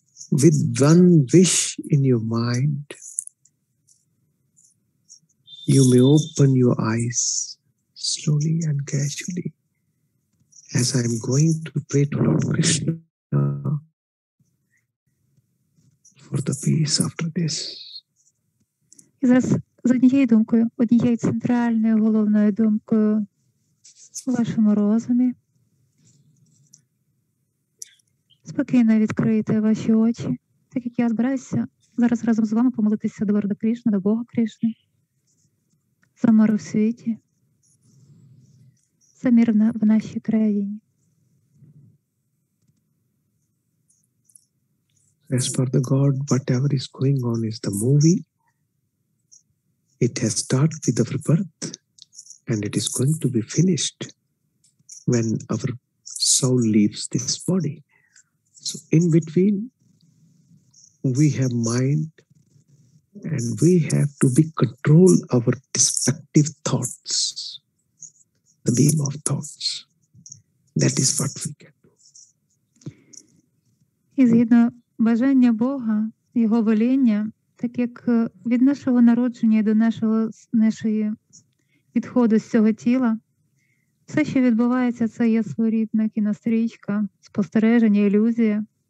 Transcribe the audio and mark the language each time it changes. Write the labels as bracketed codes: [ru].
[en] With one wish in your mind, you may open your eyes slowly and casually. As I am going to pray to Lord Krishna for the peace after this. [uk] І зараз з однією думкою, однією центральною головною думкою у вашому розумі, спокійно відкрийте ваші очі, так як я збираюся зараз разом з вами помолитися до Лорда Крішни, до Бога Крішни, за мир у світі, за мир в нашій країні. [en] As for the God, whatever is going on is the movie. It has started with our birth and it is going to be finished when our soul leaves this body. So in between, we have mind and we have to be control our destructive thoughts, the beam of thoughts. That is what we can do. [uk] І згідно бажання Бога, Його воління, так як від нашого народження до нашої відходу з цього тіла, все, що відбувається, це є своєрідна кінострічка, спостереження, ілюзія,